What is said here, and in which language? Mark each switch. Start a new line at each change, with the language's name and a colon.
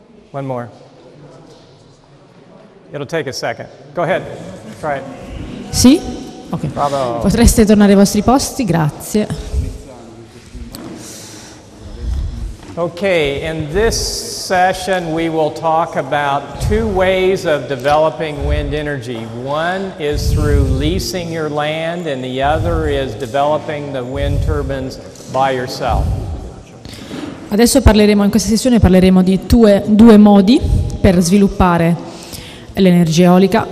English: One more. It'll take a second. Go ahead. Try it.
Italian: Sì? Ok. Bravo. Potreste tornare ai vostri posti, grazie.
English: Okay, in this session we will talk about two ways of developing wind energy. One is through leasing your land and the other is developing the wind turbines by yourself.
Italian: Adesso parleremo, in questa sessione parleremo di due modi per sviluppare l'energia eolica.